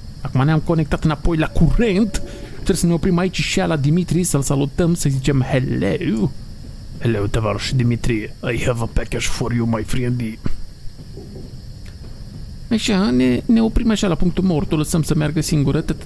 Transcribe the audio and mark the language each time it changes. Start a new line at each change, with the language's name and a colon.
Romanian: Acum ne-am conectat înapoi la curent. Trebuie să ne oprim aici și la Dimitri, să-l salutăm, să zicem hello. Hello, tovarăș Dimitri.
English: I have a package for you, my friendy.
Romanian: Așa, ne oprim așa la punctul mort, o lăsăm să meargă singură.